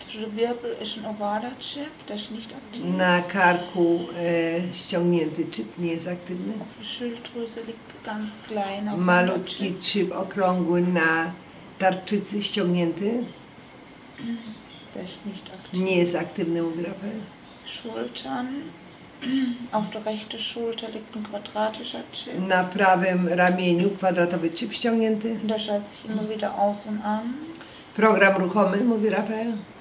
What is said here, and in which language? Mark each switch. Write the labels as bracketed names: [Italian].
[German] Wirbel ist ein ovaler Chip, der ist nicht aktiv. [Polish] Na karku ściągnięty chip, nie jest aktywny. [German] Auf der Schilddrüse liegt ganz kleiner. [Polish] Malutki chip okrągły na tarczycy ściągnięty. [German] Der ist nicht aktiv. [Polish] Nie jest aktywny, mówi Rafael. [German] Schultern. Auf der rechten Schulter liegt ein quadratischer Chip. [Polish] Na prawym ramieniu kwadratowy chip ściągnięty. [German] Der schaltet sich immer wieder aus und an. [Polish] Program ruchomy, mówi Rafael.